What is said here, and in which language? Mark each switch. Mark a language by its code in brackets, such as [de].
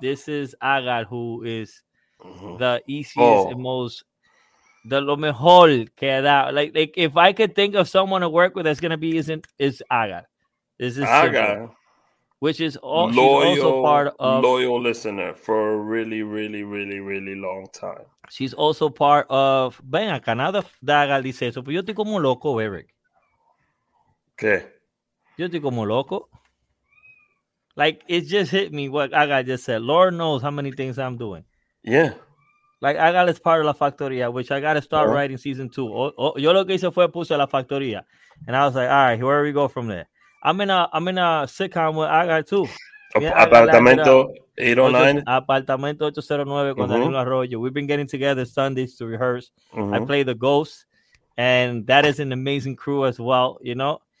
[en] This is Agar, who is the easiest and most, the [es] lo mejor que da. [en] Like, if I could think of someone to work with that's going to be, is Agar. This is Agar. Which is also part of loyal listener for a really, really, really, really long time. She's also part of. [es] Ven acá, nada de Agar dice eso, pero yo estoy como loco, Eric. ¿Qué? Yo estoy como loco. [en] Like, it just hit me what Agar just said. Lord knows how many things I'm doing. Yeah. Like, Agar is part of La Factoria, which I got to start writing season 2. [es] Yo lo que hice fue puse La Factoria. [en] And I was like, all right, where do we go from there? I'm in a sitcom with Agar too. Apartamento 809. Apartamento 809 con Danilo Arroyo. We've been getting together Sundays to rehearse. Mm-hmm. I play the ghost, and that is an amazing crew as well, you know?